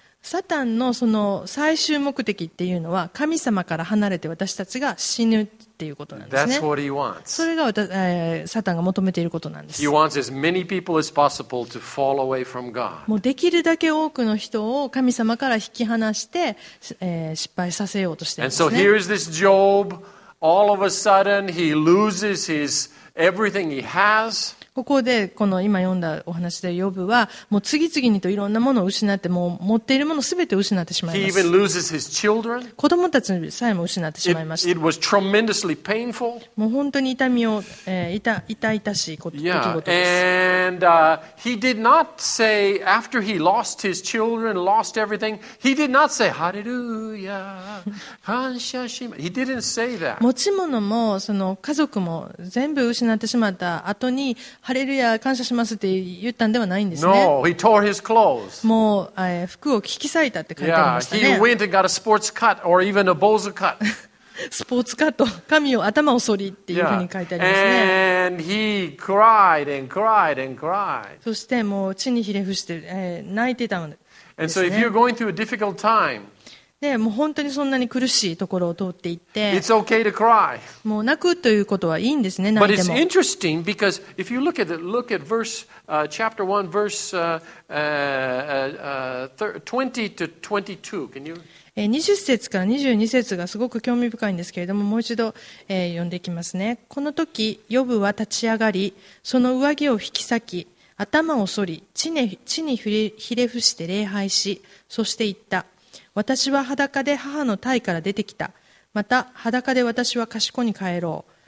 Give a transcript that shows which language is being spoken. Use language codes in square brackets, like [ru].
[ja] サタンのその最終目的っていうのは神様から離れて私たちが死ぬっていうことなんですね。 [en] That's what he wants. [ja] それが、サタンが求めていることなんです。 [en] He wants as many people as possible to fall away from God. [ja] もうできるだけ多くの人を神様から引き離して、失敗させようとしているんですね。 [en] And so here is this Job. All of a sudden, he loses his everything he has. [ja] ここでこの今読んだお話でヨブはもう次々にといろんなものを失ってもう持っているものすべて失ってしまいます。子供たちさえも失ってしまいました。 [en] It was tremendously painful. [ja] もう本当に痛みを、痛々しいこと、 [en] yeah. [ja] 出来事です。 [en] And he did not say after he lost his children, lost everything, he did not say hallelujah, [ja] 感謝します。 [en] He didn't say that. [ja] 持ち物もその家族も全部失ってしまった後に。ハレルヤ感謝しますって言ったんではないんですね。 [en] No, he tore his clothes. [ja] もう、服を引き裂いたって書いてありましたね。 [en] Yeah, he went and got a sports cut or even a bozo cut. [ja] スポーツカット、髪を頭を剃りっていうふうに書いてありますね。 [en] Yeah. And he cried and cried and cried. [ja] そしてもう地にひれ伏して、泣いてたんですね。 [en] And so if you're going through a difficult time, [ja] でもう本当にそんなに苦しいところを通っていって、 [en] It's okay to cry. [ja] もう泣くということはいいんですね、泣いても。 [en] But it's interesting because if you look at it, look at verse, chapter 1, verse, 20 to 22, can you? [ja] 20節から22節がすごく興味深いんですけれども、もう一度、読んでいきますね。この時、ヨブは立ち上がり、その上着を引き裂き、頭を剃り、地にひれ伏して礼拝し、そして言った。私は裸で母の胎から出てきた。また裸で私は賢子に帰ろう。